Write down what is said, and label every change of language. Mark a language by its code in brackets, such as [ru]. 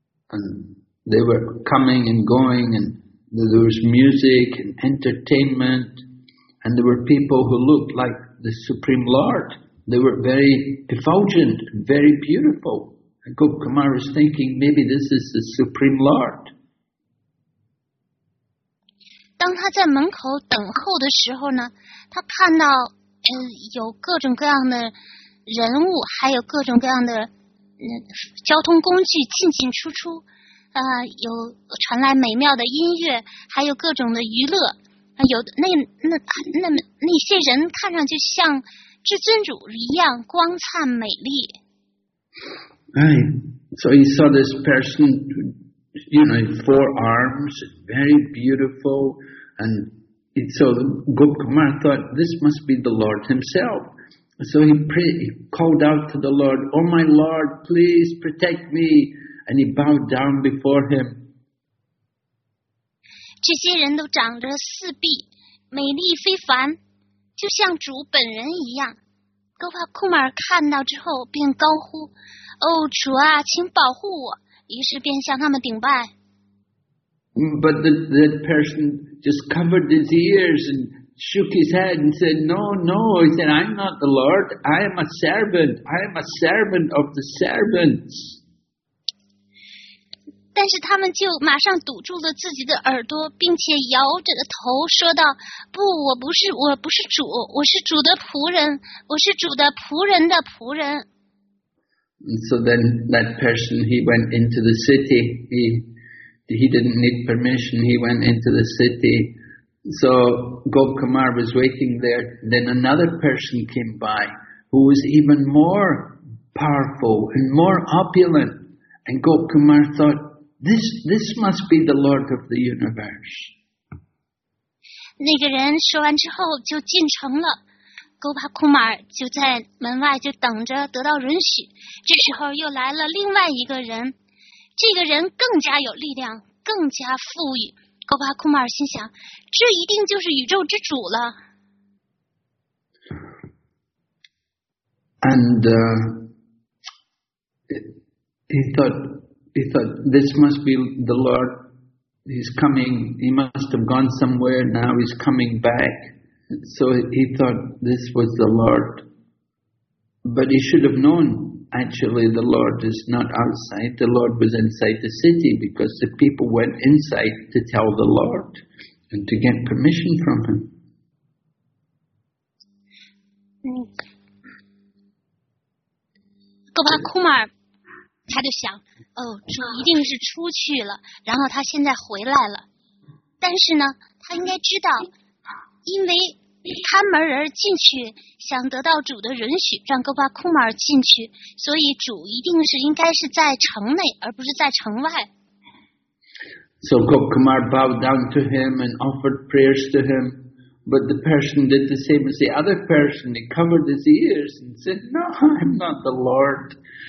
[en] And they were coming and going. And there was music and entertainment. And there were people who looked like the Supreme Lord. They were very effulgent, very beautiful. And Gopkumar was thinking, maybe this is the Supreme Lord. [zh] 当他在门口等候的时候呢，他看到有各种各样的人物，还有各种各样的交通工具进进出出，有传来美妙的音乐，还有各种的娱乐。有那些人看上去像至尊主一样光灿美丽。 Right. [en] So he saw this person, you know, four arms, very beautiful, and so Gopkumar thought this must be the Lord himself. So he prayed, he called out to the Lord, "Oh my Lord, please protect me," and he bowed down before him. [zh] 这些人都长着四臂，美丽非凡，就像主本人一样。 Gopakumar看到之后便高呼，哦，主啊，请保护我，于是便向他们顶拜。 [en] But the person just covered his ears and shook his head and said, no, no, he said, I'm not the Lord, I am a servant, I am a servant of the servants. [zh] 但是他们就马上堵住了自己的耳朵，并且摇着头说道：“不，我不是主，我是主的仆人，我是主的仆人的仆人。” [en] So then that person, he went into the city. He he didn't need permission, he went into the city. So Gop Kumar was waiting there. Then another person came by who was even more powerful and more opulent. And Gop Kumar thought, this must be the Lord of the universe. [zh] 那个人说完之后就进城了，高帕库马尔就在门外就等着得到允许。这时候又来了另外一个人，这个人更加有力量，更加富裕。高帕库马尔心想，这一定就是宇宙之主了。 [en] And he thought this must be the Lord. He's coming, he must have gone somewhere, now he's coming back. So he thought this was the Lord. But he should have known, actually, the Lord is not outside. The Lord was inside the city because the people went inside to tell the Lord and to get permission from him. [zh] Gopal Kumar, 他就想哦，主一定是出去了，然后他现在回来了。但是呢，他应该知道，因为看门人进去想得到主的允许，让戈巴库马尔进去，所以主一定是应该是在城内，而不是在城外。 [en] So Gop Kumar bowed down to him and offered prayers to him, but the person did the same as the other person. He covered his ears and said, "No, I'm not the Lord."